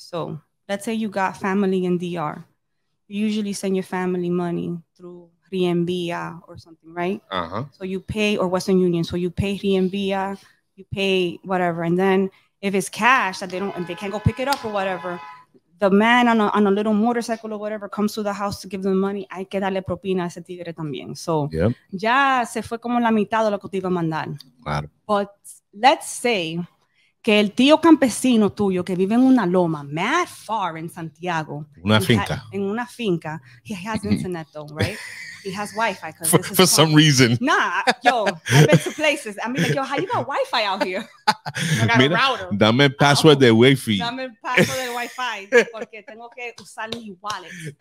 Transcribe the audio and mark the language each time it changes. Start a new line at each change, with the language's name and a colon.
English: So let's say you got family in DR. You usually send your family money through Riembia or something, right? So you pay, or Western Union. So you pay Riembia, you pay whatever. And then if it's cash that they don't, and they can't go pick it up or whatever, the man on a little motorcycle or whatever comes to the house to give them money.
Spanish: Hay que darle propina a ese tigre también. So ya se fue como la mitad de lo que te iba a mandar. Claro.
English: But let's say
Spanish: que el tío campesino tuyo que vive en una loma,
English: mad far in Santiago.
Spanish: Una finca. En una finca.
English: He has internet though, right? He has Wi-Fi. For some reason. Nah, yo, I've been to places. I mean, like, yo, how you got Wi-Fi out here? I got a router.
Spanish: Dame password de Wi-Fi. Dame password de Wi-Fi. Porque tengo que usar mi wallet.